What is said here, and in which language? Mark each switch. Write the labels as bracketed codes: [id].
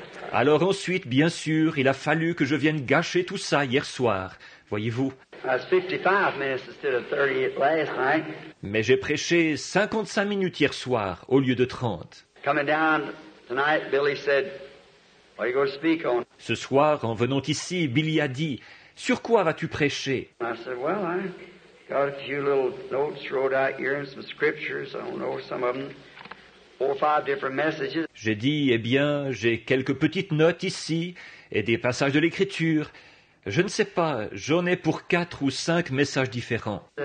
[fr] Alors ensuite, bien sûr, il a fallu que je vienne gâcher tout ça hier soir, voyez-vous. [en] I was 55 minutes instead of 38 last night. [fr] Mais j'ai prêché 55 minutes hier soir au lieu de 30. [en] Coming down tonight, Billy said, what are you going to speak on? [fr] Ce soir, en venant ici, Billy a dit, sur quoi vas-tu prêcher? [en] I said, well, I got a few little notes, wrote out here and some scriptures, I don't know some of them. Four or five different messages. [fr] J'ai dit, eh bien, j'ai quelques petites notes ici et des passages de l'Écriture. Je ne sais pas, j'en ai pour quatre ou cinq messages différents.